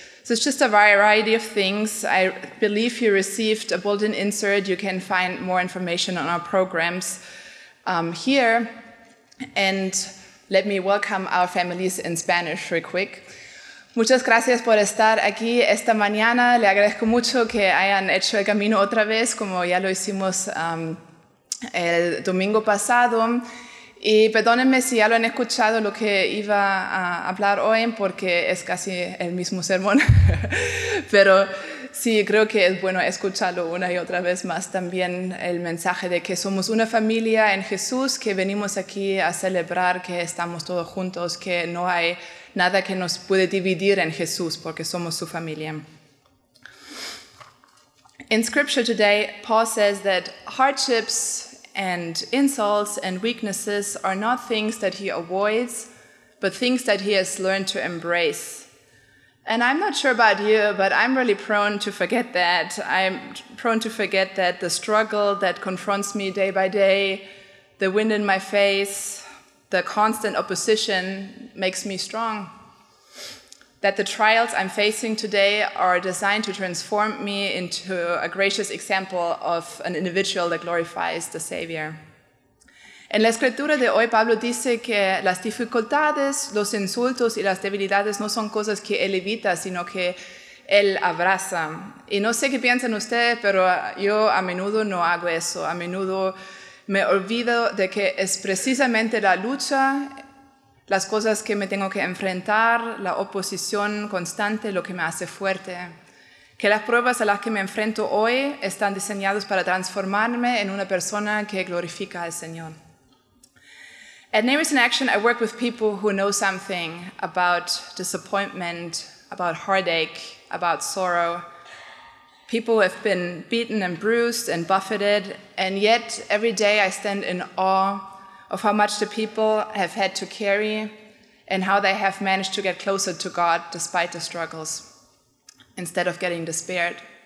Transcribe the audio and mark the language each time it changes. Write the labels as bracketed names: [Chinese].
[English] So it's just a variety of things. I believe you received a bulletin insert. You can find more information on our programs here. And let me welcome our families in Spanish real quick. [Spanish] Muchas gracias por estar aquí esta mañana. Le agradezco mucho que hayan hecho el camino otra vez, como ya lo hicimos el domingo pasado. Y perdónenme si ya lo han escuchado lo que iba a hablar hoy, porque es casi el mismo sermón. Pero sí, creo que es bueno escucharlo una y otra vez más también, el mensaje de que somos una familia en Jesús, que venimos aquí a celebrar, que estamos todos juntos, que no hay nada que nos puede dividir en Jesús, porque somos su familia. [English] In scripture today, Paul says that hardships and insults and weaknesses are not things that he avoids, but things that he has learned to embrace. And I'm not sure about you, but I'm really prone to forget that. I'm prone to forget that the struggle that confronts me day by day, the wind in my face, the constant opposition makes me strong. That the trials I'm facing today are designed to transform me into a gracious example of an individual that glorifies the Savior. [Spanish] En la escritura de hoy, Pablo dice que las dificultades, los insultos y las debilidades no son cosas que él evita, sino que él abraza. Y no sé qué piensan ustedes, pero yo a menudo no hago eso. A menudo me olvido de que es precisamente la lucha, las cosas que me tengo que enfrentar, la oposición constante, lo que me hace fuerte. Que las pruebas a las que me enfrento hoy están diseñadas para transformarme en una persona que glorifica al Señor. [English] At Neighbors in Action, I work with people who know something about disappointment, about heartache, about sorrow. People have been beaten and bruised and buffeted, and yet every day I stand in awe of how much the people have had to carry and how they have managed to get closer to God despite the struggles, instead of getting despaired.